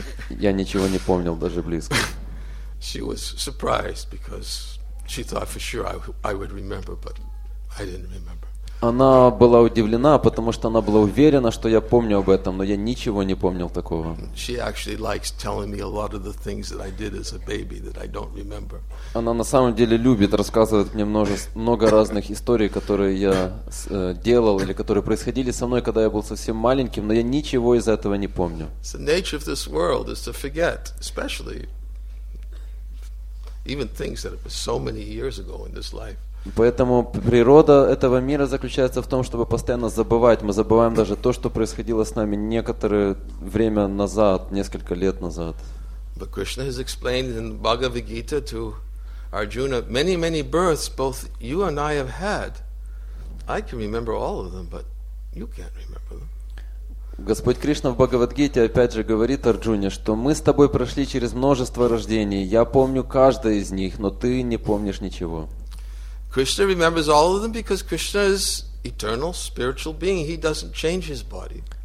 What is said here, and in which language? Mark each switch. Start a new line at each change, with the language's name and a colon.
Russian: Я ничего не помнил даже близко.
English: She was surprised because she thought for sure I would remember, but I didn't remember.
Russian: Она была удивлена, потому что она была уверена, что я помню об этом, но я ничего не помнил такого.
English: She actually likes telling me a lot of the things that I did as a baby that I don't remember.
Russian: Она на самом деле любит рассказывать мне много разных историй, которые я делал или которые происходили со мной, когда я был совсем маленьким, но я ничего из этого не помню.
English: The nature of this world is to forget, especially even things that were so many years ago in this life.
Russian: Поэтому природа этого мира заключается в том, чтобы постоянно забывать. Мы забываем даже то, что происходило с нами некоторое время назад, несколько лет назад.
English: But Krishna has explained in Bhagavad Gita to Arjuna many, many births both you and I have had. I can remember all of them, but you can't remember them.
Russian: Господь Кришна в Бхагавад-гите опять же говорит Арджуне, что мы с тобой прошли через множество рождений. Я помню каждое из них, но ты не помнишь ничего.
English: Krishna remembers all of them because Krishna is eternal spiritual being. He doesn't change his body.